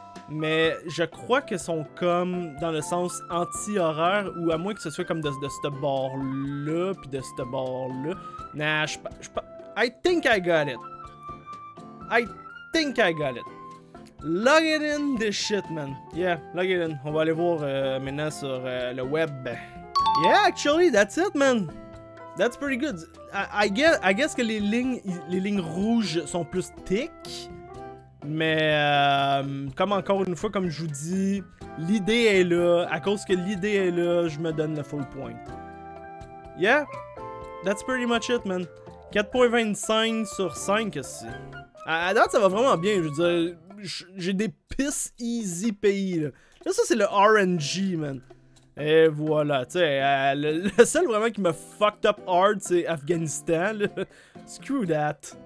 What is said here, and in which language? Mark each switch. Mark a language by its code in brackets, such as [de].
[fr] Mais je crois qu'elles sont comme dans le sens anti-horaire, ou à moins que ce soit comme de ce bord-là, puis de ce bord-là. [en] Nah, I think I got it. I think I got it. Log it in this shit, man. Yeah, log it in. [fr] On va aller voir maintenant sur le web. [en] Yeah, actually, that's it, man. That's pretty good. I guess [fr] que les lignes rouges sont plus thick. Mais, comme encore une fois, comme je vous dis, l'idée est là. À cause que l'idée est là, je me donne le full point. [en] Yeah, that's pretty much it, man. [fr] 4.25 sur 5, ici. À date, ça va vraiment bien, je veux dire. J'ai des [en] pisses easy [fr] pays, là. Ça, c'est le RNG, man. Et voilà, tu sais, le seul vraiment qui m'a [en] fucked up hard, [fr] c'est Afghanistan, là. [en] Screw that.